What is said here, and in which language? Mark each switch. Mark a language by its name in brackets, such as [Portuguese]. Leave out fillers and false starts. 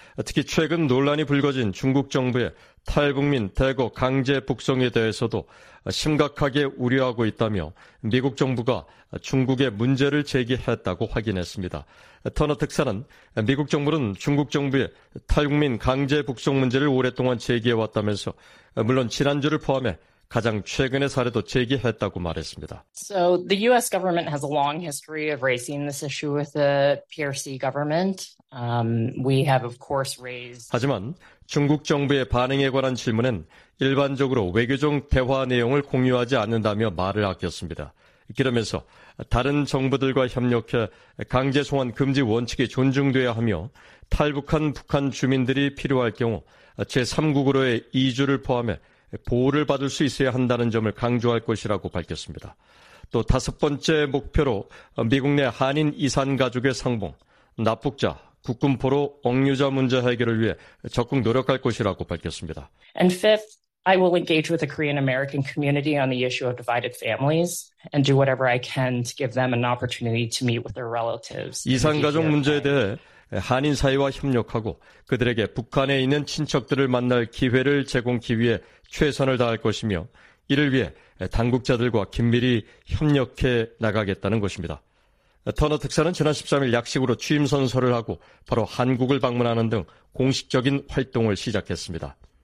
[Korean] 특히 최근 논란이 불거진 중국 정부의 탈북민 대거 강제 북송에 대해서도 심각하게 우려하고 있다며 미국 정부가 중국에 문제를 제기했다고 확인했습니다. 터너 특사는 미국 정부는 중국 정부의 탈북민 강제 북송 문제를 오랫동안 제기해왔다면서 물론 지난주를 포함해 가장 최근의 사례도 제기했다고 말했습니다. [English] So the U.S. government has a long history of raising this issue with the PRC government. We have, of course, raised. [Korean] 하지만 중국 정부의 반응에 관한 질문엔 일반적으로 외교적 대화 내용을 공유하지 않는다며 말을 아꼈습니다. 그러면서 다른 정부들과 협력해 강제 송환 금지 원칙이 존중돼야 하며 탈북한 북한 주민들이 필요할 경우 제3국으로의 이주를 포함해 보호를 받을 수 있어야 한다는 점을 강조할 것이라고 밝혔습니다. 또 다섯 번째 목표로 미국 내 한인 이산가족의 상봉, 납북자, 국군 포로, 억류자 문제 해결을 위해 적극 노력할 것이라고 밝혔습니다. [English] And fifth, I will engage with the Korean American community on the issue of divided families and do whatever I can to give them an opportunity to meet with their relatives. [Korean] 이산가족 문제에 대해 한인 사회와 협력하고 그들에게 북한에 있는 친척들을 만날 기회를 제공하기 위해 최선을 다할 것이며 이를 위해 당국자들과 긴밀히 협력해 나가겠다는 것입니다. 터너 특사는 지난 13일 약식으로 취임 선서를 하고 바로 한국을 방문하는 등 공식적인 활동을 시작했습니다.